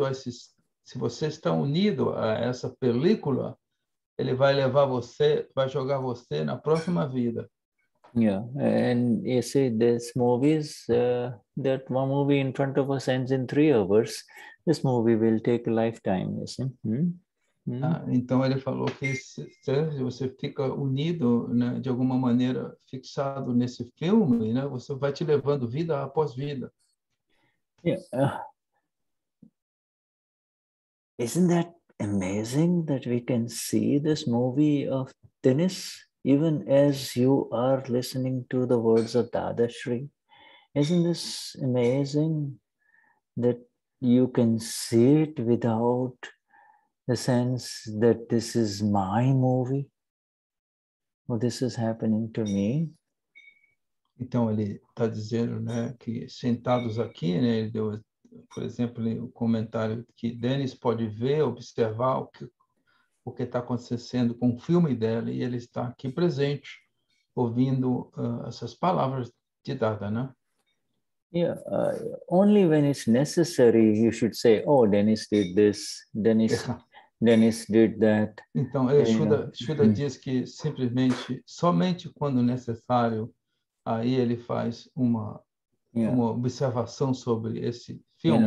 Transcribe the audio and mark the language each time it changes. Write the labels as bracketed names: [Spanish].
[Portuguese] Se você está unido a essa película, ele vai levar você, vai jogar você na próxima vida. [English] Yeah, and you see, these movies, that one movie in front of us ends in 3 hours. This movie will take a lifetime, you see. [Portuguese] Então ele falou que se você fica unido, né, de alguma maneira fixado nesse filme, né, você vai te levando vida após vida. [English] Yeah. Isn't that amazing that we can see this movie of Dennis? Even as you are listening to the words of Dadashri, isn't this amazing that you can see it without the sense that this is my movie? Well, this is happening to me. [Portuguese] Então ele está dizendo, né, que sentados aqui, né, ele deu, por exemplo, o comentário que Dennis pode ver, observar o que está acontecendo com o filme dela, e ele está aqui presente, ouvindo essas palavras de Dada, né? [English] Yeah, only when it's necessary you should say, oh, Dennis did this, Dennis did that. [Portuguese] Então, Shuddha diz que somente quando necessário, aí ele faz uma observação sobre esse filme.